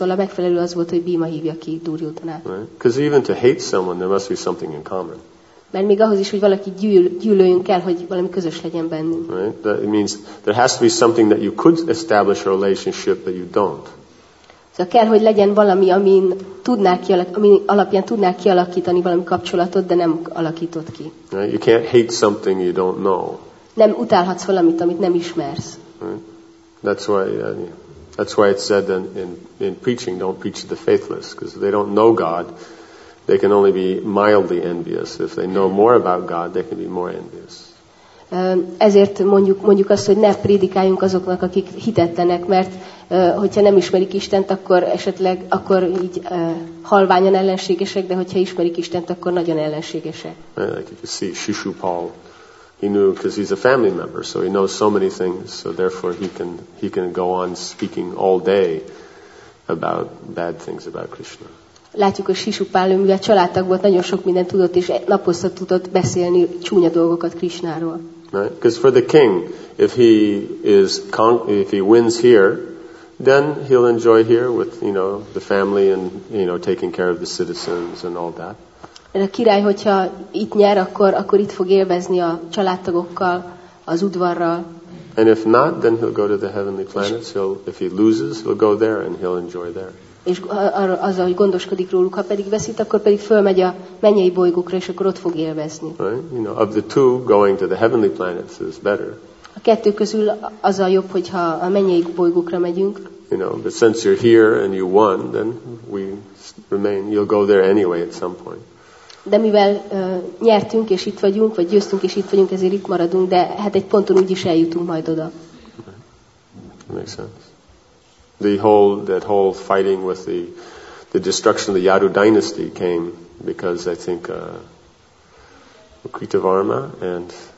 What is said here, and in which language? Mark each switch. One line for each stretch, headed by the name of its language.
Hungarian: Szóval a megfelelő az volt, hogy Bhima hívja ki Duryodhanát.
English: Because right? Even to hate someone, there must be something in common.
Hungarian: Mert még ahhoz is, hogy valaki gyűlöljön kell, hogy valami közös legyen bennünk.
English: Right? It means there has to be something that you could establish a relationship, but you don't.
Hungarian: Szóval kell, hogy legyen valami, ami alapján tudnál kialakítani valami kapcsolatot, de nem alakítod ki.
English: Right? You can't hate something you don't know.
Hungarian: Nem utálhatsz valamit, amit nem ismersz.
English: Right? That's why it's said in preaching, don't preach to the faithless, because they don't know God. They can only be mildly envious. If they know more about God, they can be more envious.
Hungarian: Ezért mondjuk azt, hogy ne prédikáljunk azoknak, akik hitetlenek, mert hogyha nem ismerik Istent, akkor így halványan ellenségesek, de hogyha ismerik Istent, akkor nagyon ellenségesek.
English: Like you see, Shishupal, he knew because he's a family member, so he knows so many things, so therefore he can go on speaking all day about bad things about Krishna.
Hungarian: Látjuk, hogy Shishupál, mivel családtag volt, nagyon sok mindent tudott, és naposzta tudott beszélni csúnya dolgokat Krishnáról.
English: Because for the king, if he wins here, then he'll enjoy here with, you know, the family and, you know, taking care of the citizens and all that.
Hungarian: A király, hogyha itt nyer, akkor itt fog élvezni a családtagokkal, az udvarral.
English: And if not, then he'll go to the heavenly planets. If he loses, he'll go there and he'll enjoy there.
Hungarian: És azzal, hogy gondoskodik róluk, ha pedig veszít, akkor pedig fölmegy a mennyei bolygókra, és akkor ott fog élvezni.
English: Right? You know, of the two, going to the heavenly planets is better.
Hungarian: A kettő közül az a jobb, hogyha a mennyei bolygókra megyünk.
English: You know, but since you're here and you won, then we remain. You'll go there anyway at some point.
Hungarian: De mivel nyertünk és itt vagyunk, vagy győztünk és itt vagyunk, ezért itt maradunk, de hát egy ponton úgyis eljutunk majd oda.
English: Okay. Makes sense. That whole fighting with the destruction of the Yadu dynasty came because I think Kritavarma and